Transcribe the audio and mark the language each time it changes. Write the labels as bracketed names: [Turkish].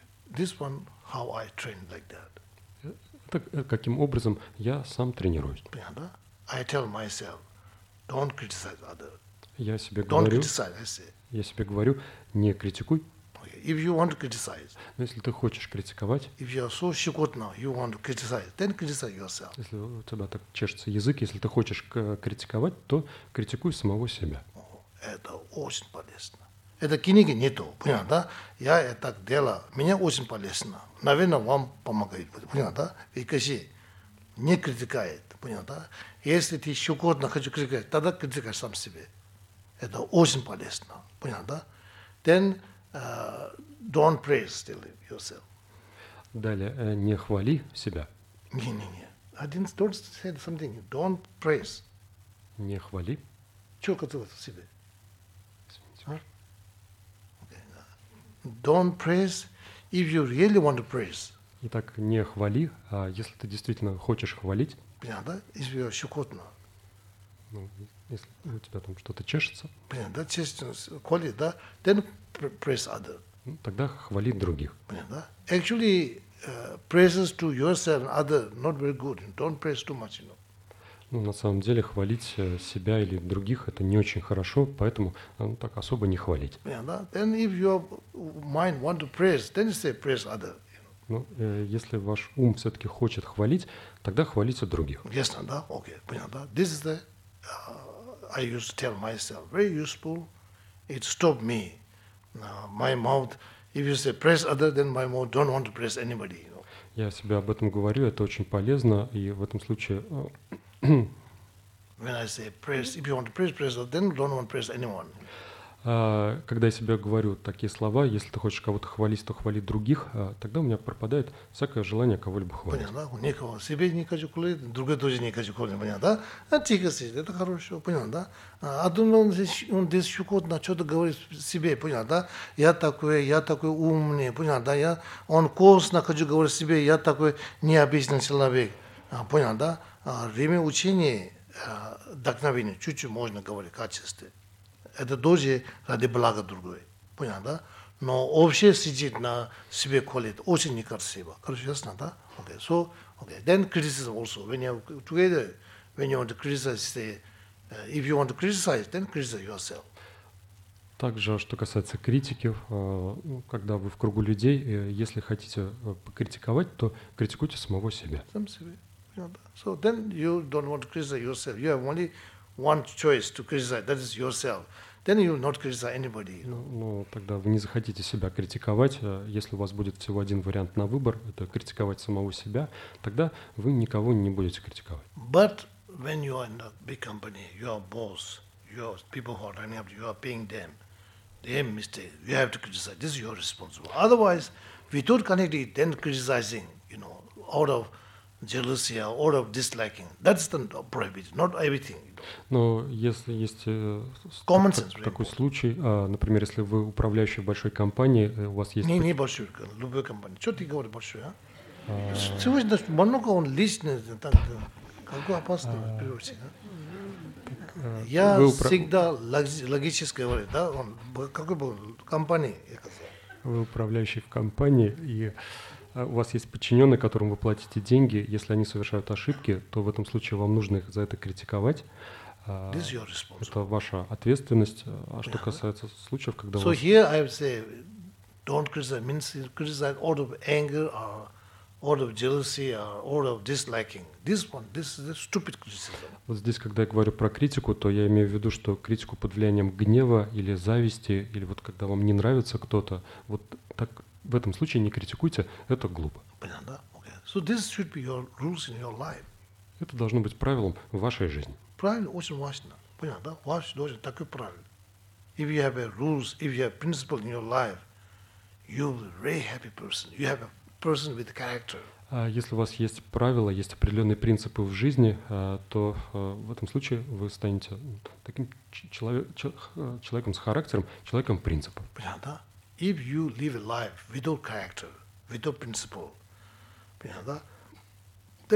[English] This one, how I train like that. [Russian] Так каким образом я сам тренируюсь? Понятно? [English] I tell myself, don't criticize other. [Russian] Я себе [English] don't [Russian] говорю. [English] Don't criticize. I say. [Russian] Я себе говорю, не критикуй. [English] Okay. If you want to criticize. [Russian] Но если ты хочешь критиковать. [English] If you are so [Russian] щекотно, [English] you want to criticize, then criticize yourself. [Russian] Если у тебя так чешется язык, если ты хочешь критиковать, то критикуй самого себя. Это очень полезно. Это книги нету, понятно, да? Я это делаю, мне очень полезно. Наверное, вам помогает, понятно, да? Викаси не критикает, понятно, да? Если ты еще угодно хочешь критиковать, тогда критикай сам себе. Это очень полезно, понятно, да? [English] Then don't praise still yourself. [Russian] Далее, не хвали себя. Не-не-не. [English] I didn't, don't say something. Don't praise. [Russian] Не хвали. Чего хотелось себе? [English] Don't praise if you really want to praise. [Russian] Итак, не хвали, а если ты действительно хочешь хвалить. Понятно, да? Если тебе щекотно. Ну, если у тебя там что-то чешется. Понятно, да? Чешется, коли, да? [English] Then praise other. [Russian] Ну, тогда хвали других. Понятно, да? [English] Actually, praises to yourself and other not very good. Don't praise too much, you know. [Russian] Ну, на самом деле, хвалить себя или других – это не очень хорошо, поэтому ну, так особо не хвалить. [English] Yeah, that, then if your mind want to praise, then you say praise other. You know. [Russian] Ну, если ваш ум все-таки хочет хвалить, тогда хвалите других. Ясно, да? Окей, понятно, да? [English] This is the, I used to tell myself, very useful, it stopped me. My mouth, if you say praise other, then my mouth don't want to praise anybody. You know. [Russian] Я себе об этом говорю, это очень полезно, и в этом случае… [English] When I say praise, if you want to praise, praise, then don't want to praise anyone. [Russian] Когда я себе говорю такие слова, если ты хочешь кого-то хвалить, то хвали других, тогда у меня пропадает всякое желание кого-либо хвалить. Понятно, да? Никого себе не хочу хвалить, другой тоже не хочу хвалить, понятно, да? А тихо сидит, это хорошо, понятно, да? А думал, он здесь щекотно что-то говорит себе, понятно, да? Я такой умный, понятно, да? Я, он косно хочу говорить себе, я такой необычный человек, понятно, да? Время учения, вдохновения, чуть-чуть можно говорить, качестве. Это тоже ради блага другой. Понятно, да? Но вообще сидит на себе колет, очень некрасиво. Короче, ясно, да? [English] Okay. So, okay. Then criticism also. When you are together, when you want to criticize, say, if you want to criticize, then criticize yourself. [Russian] Также, что касается критики, когда вы в кругу людей, если хотите покритиковать, то критикуйте самого себя. Сам себе. [English] So then you don't want to criticize yourself. You have only one choice to criticize. That is yourself. Then you will not criticize anybody. Ну, тогда вы не захотите себя критиковать. Если у вас будет всего один вариант на выбор, это критиковать самого себя, тогда вы никого не будете критиковать. But when you are in a big company, you are boss, you are people who are running up, you are paying them. They have mistakes. You have to criticize. This is your responsibility. Otherwise, without connecting, then criticizing, you know, out of jealousy or of disliking. That's the prohibition, not everything. [Russian] Но если есть [English] common sense, [Russian] такой случай, например, если вы управляющий большой компании, у вас есть... Не большой, любой компании. Что ты говоришь большой, а? Сегодня много он личный, какой опасный перевозчик, а? Я всегда логически говорю, да, он, какой был компании, я сказал. Вы управляющий в компании, и у вас есть подчиненные, которым вы платите деньги. Если они совершают ошибки, то в этом случае вам нужно их за это критиковать. [English] This is your responsibility. [Russian] Это ваша ответственность. А что касается случаев, когда [English] so [Russian] вы... [English] So here I would say, don't criticize, means criticize out of anger or all of jealousy, all of disliking. This one, this is a stupid criticism. [Russian] Вот здесь, когда я говорю про критику, то я имею в виду, что критику под влиянием гнева или зависти, или вот когда вам не нравится кто-то, вот так в этом случае не критикуйте, это глупо. Понятно, да? [English] Okay. So this should be your rules in your life. [Russian] Это должно быть правилом в вашей жизни. Правильно, очень важно. Понятно, да? Ваш должен такой правильный. [English] If you have a rules, if you have principles in your life, you're a very happy person. You have a person with character. [Russian] Если у вас есть правила, есть определенные принципы в жизни, то в этом случае вы станете таким человеком с характером, человеком принципов. [English] Понятно, да? If you live a life without character, without principle, [Russian] понятно, да?